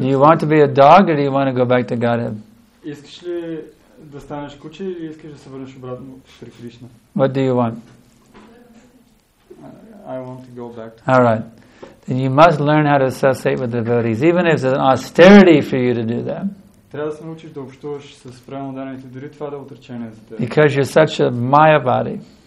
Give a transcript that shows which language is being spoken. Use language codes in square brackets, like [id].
[en] Do you want to be a dog or do you want to go back to Godhead? [bg] Искаш ли да станеш куче или искаш да се върнеш обратно при Кришна? [en] What do you want? I want to go back to Godhead. All right. Then you must learn how to associate with devotees, even if it's an austerity for you to do that. [bg] Трябва да се научиш да общуваш с правилно дадените, дори това да е отречение за теб. [en] Because you're such a Maya body.